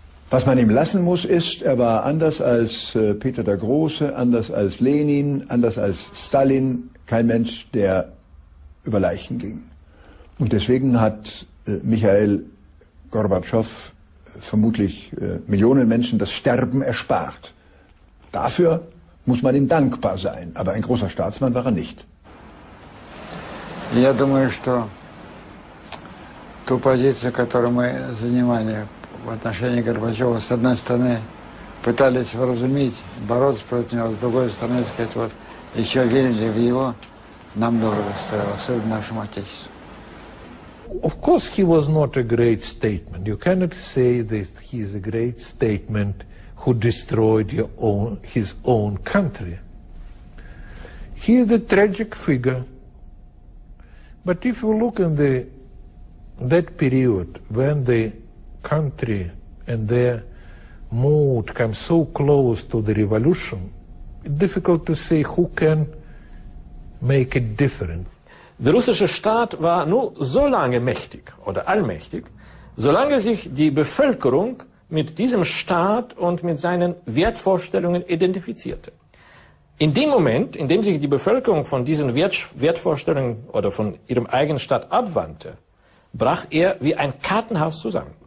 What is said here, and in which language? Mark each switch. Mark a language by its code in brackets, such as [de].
[de] Was man ihm lassen muss, ist, er war anders als Peter der Große, anders als Lenin, anders als Stalin, kein Mensch, der über Leichen ging. Und deswegen hat Michael Gorbatschow vermutlich Millionen Menschen das Sterben erspart. Dafür muss man ihm dankbar sein, aber ein großer Staatsmann war er nicht. [ru] Я думаю, что ту позицию, которую мы занимали в отношении Горбачева, с одной стороны, пытались вразумить, бороться против него, с другой стороны, сказать, вот еще верили в его, нам дорого стоило, особенно нашему отечеству. [en] Of course, he was not a great statement. You cannot say that he is a great statement who destroyed your own, his own country. He is a tragic figure. But if you look in the that period when the country and their mood come so close to the revolution, it's difficult to say who can make it different. [de] Der russische Staat war nur so lange mächtig oder allmächtig, solange sich die Bevölkerung mit diesem Staat und mit seinen Wertvorstellungen identifizierte. In dem Moment, in dem sich die Bevölkerung von diesen Wertvorstellungen oder von ihrem eigenen Staat abwandte, brach er wie ein Kartenhaus zusammen.